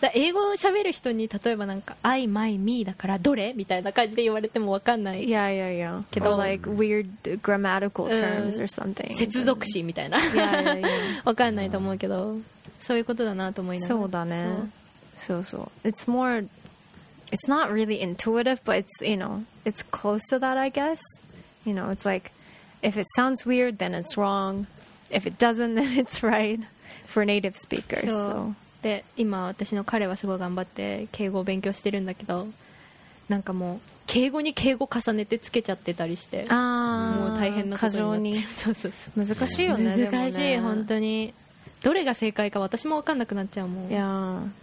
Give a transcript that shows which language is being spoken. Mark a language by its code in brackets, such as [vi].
[ja] だ 英語を喋る人に例えばなんか [en] I, my, me [ja] だからどれみたいな感じで言われても分かんない。 [en] Yeah, yeah, yeah. けど or like weird grammatical terms or something. [ja] 接続詞みたいな。 [en] Yeah, yeah, yeah. [ja] 分かんないと思うけど、そういうことだなと思いながら。そうだね。そうそう。 [en] It's more. It's not really intuitive, but it's, you know, it's close to that, I guess. You know, it's like, if it sounds weird, then it's wrong. If it doesn't, then it's right for native speakers. So, [ja] で、 今私の彼はすごい頑張って敬語を勉強してるんだけど、なんかもう敬語に敬語重ねてつけちゃってたりして、もう大変なことになっちゃう。過剰に。そうそうそう。難しいよね。難しい、本当に。どれが正解か私もわかんなくなっちゃうもん。いやー。